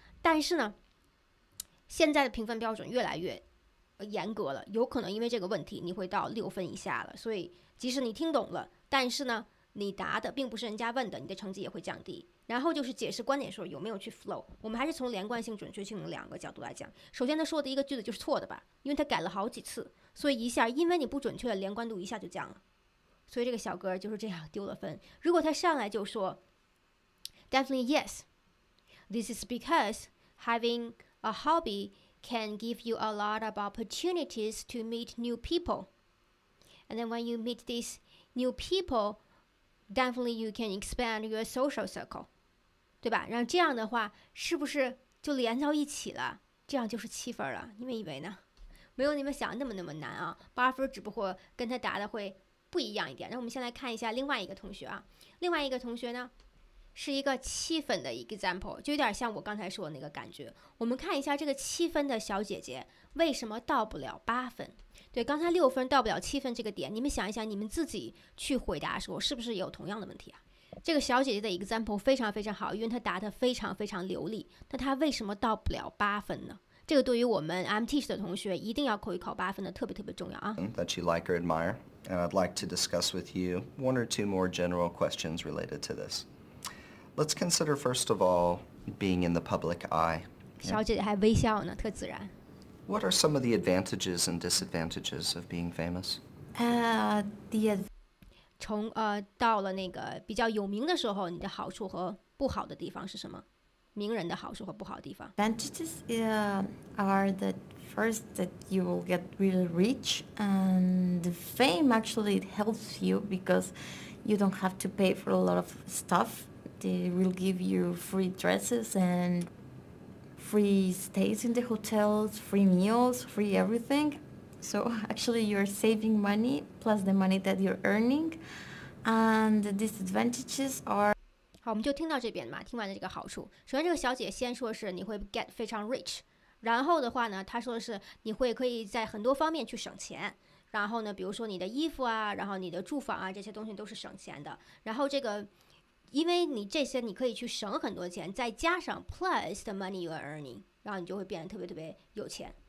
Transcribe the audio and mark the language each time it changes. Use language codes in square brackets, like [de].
[zh] 但是呢，现在的评分标准越来越严格了，有可能因为这个问题你会到6分以下了，所以即使你听懂了，但是呢你答的并不是人家问的，你的成绩也会降低。然后就是解释观点的时候有没有去 flow， 我们还是从连贯性准确性两个角度来讲。首先他说的一个句子就是错的吧，因为他改了好几次，所以一下因为你不准确的连贯度一下就降了，所以这个小哥就是这样丢了分。如果他上来就说 [en] definitely yes this is because having a hobby can give you a lot of opportunities to meet new people and then when you meet these new peopledefinitely you can expand your social circle， [zh] 对吧？然后这样的话是不是就连到一起了，这样就是七分了。你们以为呢？没有你们想的那么难啊，八分只不过跟他答的会不一样一点。那我们先来看一下另外一个同学啊，另外一个同学呢是一个七分的 example， 就有点像我刚才说的那个感觉。我们看一下这个七分的小姐姐为什么到不了八分。对，刚才六分到不了七分这个点，你们想一想，你们自己去回答的时候是不是有同样的问题啊？这个小姐姐的 example 非常非常好，因为她答得非常非常流利，那她为什么到不了八分呢？这个对于我们 I'm teach 的同学一定要口语考八分的特别特别重要啊。 [en] That you like or admire and I'd like to discuss with you one or two more general questions related to thisLet's consider, first of all, being in the public eye. [zh] 小姐姐还微笑呢，特自然。 [en] What are some of the advantages and disadvantages of being famous? [zh] From 到了那个比较有名的时候，你的好处和不好的地方是什么？名人的好处和不好的地方。 [en] Advantages are the first that you will get really rich, and the fame actually helps you because you don't have to pay for a lot of stuff. They will give you free dresses and free stays in the hotels, free meals, free everything. So actually you're saving money plus the money that you're earning. And the disadvantages are... [zh] 好，我们就听到这边嘛，听完了这个好处。首先这个小姐先说是你会 get 非常 rich， 然后的话呢，她说的是你会可以在很多方面去省钱。然后呢，比如说你的衣服啊，然后你的住房啊，这些东西都是省钱的。然后这个因为你这些你可以去省很多钱，再加上 [en] plus the money you are earning， [zh] 然后你就会变得特别特别有钱。